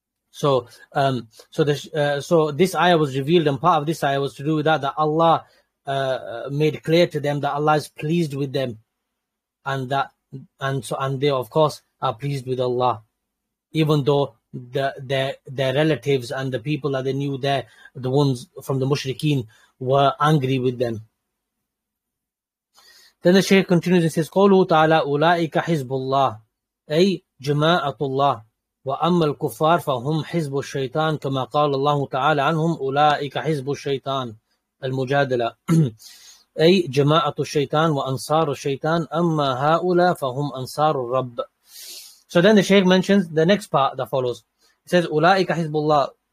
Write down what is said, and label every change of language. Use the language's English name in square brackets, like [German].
[English] So this ayah was revealed, and part of this ayah was to do with that Allah made clear to them that Allah is pleased with them, and they, of course, are pleased with Allah, even though their relatives and the people that they knew there, the ones from the mushrikeen, were angry with them. Then the Shaykh continues and says, [Arabic] قَوْلُهُ تَعَالَىٰ أُولَٰئِكَ حِزْبُ اللَّهِ أي جَمَاعَةُ اللَّهِ وَأَمَّا الْكُفَّارِ فَهُمْ حِزْبُ الشَّيْطَانِ كَمَا قَالَ اللَّهُ تَعَالَىٰ عَنْهُمْ أُولَٰئِكَ حِزْبُ الشَّيْطَانِ الْمُجَادِلَةِ أي جَمَاعَةُ الشَّيْطَانِ وَأَنصَارُ الشَّيْطَانِ أَمَّا هَؤُلَاء فَهُمْ أَنصَارُ الرَّبِّ. [English] So then the Shaykh mentions the next part that follows. He says, "Ulaika Hizbullah."